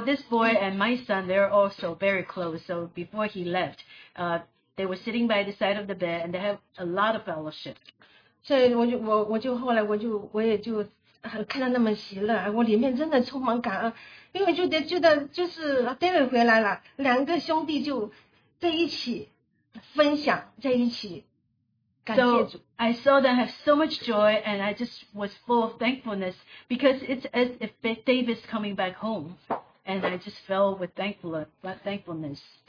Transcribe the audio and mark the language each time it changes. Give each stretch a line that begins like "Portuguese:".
English: this boy and my son, they're also very close. So before he left, they were sitting by the side of the bed and they have a lot of fellowship.
Chinese: 所以我就后来我也看到那么喜乐，我里面真的充满感恩，因为就觉得就是David回来了，两个兄弟就。
English: So I saw them have so much joy, and I just was full of thankfulness because it's as if David's coming back home, and I just fell with thankfulness.